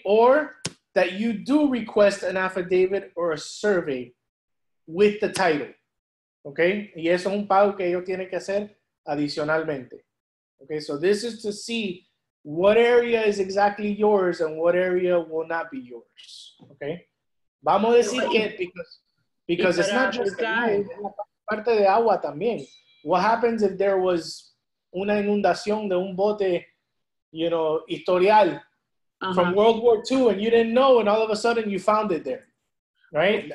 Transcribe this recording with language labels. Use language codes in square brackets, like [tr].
[en] Or that you do request an affidavit or a survey with the title, okay? [es] Y eso es un pago que ellos tienen que hacer adicionalmente. [en] Okay, so this is to see what area is exactly yours and what area will not be yours, okay? [es] Vamos a decir que, [en] because it's not just the [es] parte de agua también. [en] What happens if there was [es] una inundación de un bote, [en] you know, historial, uh-huh, from World War II and you didn't know and all of a sudden you found it there, right?